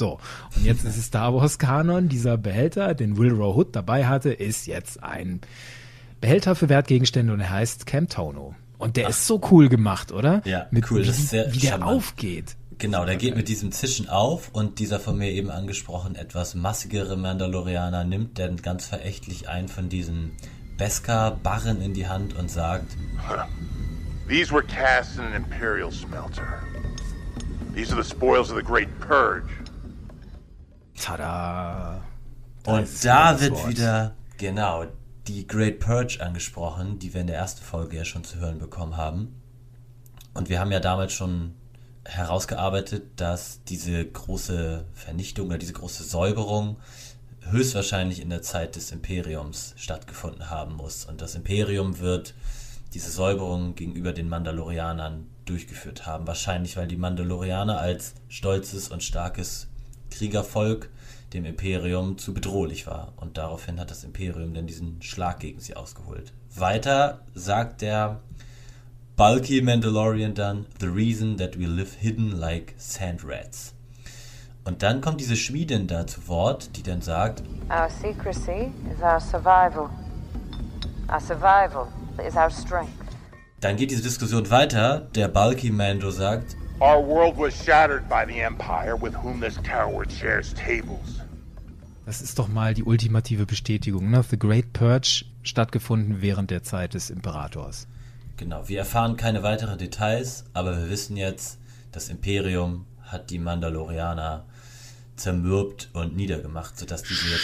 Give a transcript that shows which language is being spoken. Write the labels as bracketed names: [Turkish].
[German] So, und jetzt ist es Star Wars Kanon. Dieser Behälter, den Willrow Hood dabei hatte, ist jetzt ein Behälter für Wertgegenstände und er heißt Camtono. Und der ist so cool gemacht, oder? Ja, mit cool. Wie, das ist sehr wie der charmant. Aufgeht. Genau, der geht mit diesem Zischen auf und dieser von mir eben angesprochen etwas massigere Mandalorianer nimmt dann ganz verächtlich einen von diesen Beskar-Barren in die Hand und sagt, [English] these were cast in an imperial smelter. These are the spoils of the great purge. [German] Tada! Da und da wird wieder, genau, die Great Purge angesprochen, die wir in der ersten Folge ja schon zu hören bekommen haben. Und wir haben ja damals schon herausgearbeitet, dass diese große Vernichtung oder diese große Säuberung höchstwahrscheinlich in der Zeit des Imperiums stattgefunden haben muss. Und das Imperium wird diese Säuberung gegenüber den Mandalorianern durchgeführt haben. Wahrscheinlich, weil die Mandalorianer als stolzes und starkes Kriegervolk dem Imperium zu bedrohlich war. Und daraufhin hat das Imperium dann diesen Schlag gegen sie ausgeholt. Weiter sagt der Bulky Mandalorian dann, [English] the reason that we live hidden like sand rats. [German] Und dann kommt diese Schmiedin da zu Wort, die dann sagt, [English] our secrecy is our survival. Our survival is our strength. [German] Dann geht diese Diskussion weiter, der Bulky Mando sagt, [English] our world was shattered by the Empire with whom this coward shares tables. [German] Das ist doch mal die ultimative Bestätigung, ne? The Great Purge stattgefunden während der Zeit des Imperators. Genau, wir erfahren keine weiteren Details, aber wir wissen jetzt, das Imperium hat die Mandalorianer zermürbt und niedergemacht, sodass die sie jetzt